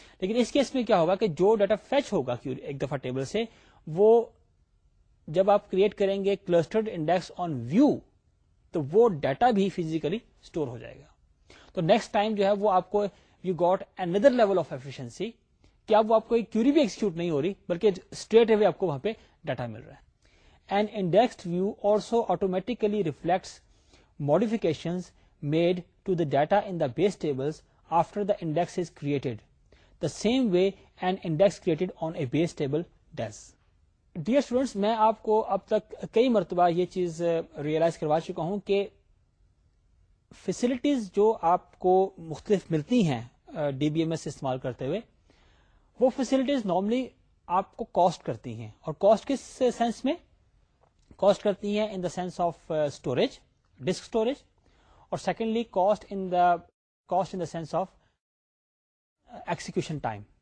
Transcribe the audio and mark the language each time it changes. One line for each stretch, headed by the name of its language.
Urdu: لیکن اس کیس میں کیا ہوگا کہ جو ڈیٹا فیچ ہوگا ایک دفعہ ٹیبل سے, وہ جب آپ کریٹ کریں گے کلسٹرڈ انڈیکس آن ویو تو وہ ڈیٹا بھی فزیکلی سٹور ہو جائے گا. تو نیکسٹ ٹائم جو ہے وہ آپ کو
English: you got another level of efficiency,
Urdu: کہ اب وہ آپ کو کیوری بھی ایکسیکیوٹ نہیں ہو رہی بلکہ اسٹریٹ اوے آپ کو وہاں پہ ڈیٹا مل رہا ہے.
English: An indexed view also automatically reflects modifications made to the data in the base tables after the index is created, the same way an index created on a base table does. Dear students,
Urdu: میں آپ کو اب تک کئی مرتبہ یہ چیز realise کروا چکا ہوں کہ فیسلٹیز جو آپ کو مختلف ملتی ہیں ڈی بی ایم ایس استعمال کرتے ہوئے, وہ فیسلٹیز نارملی آپ کو کاسٹ کرتی ہیں. اور کاسٹ کس سینس میں کاسٹ کرتی ہیں؟
English: in the sense of storage,
Urdu: disk storage, اور secondly
English: Cost in the sense of execution time.